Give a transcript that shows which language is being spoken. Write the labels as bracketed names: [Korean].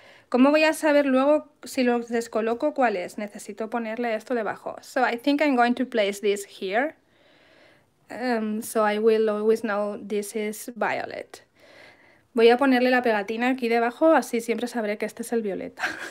[Spanish] ¿Cómo voy a saber luego si lo descoloco cuál es? Necesito ponerle esto debajo. [English] So I think I'm going to place this here. So I will always know this is violet. [Spanish] Voy a ponerle la pegatina aquí debajo, así siempre sabré que este es el violeta.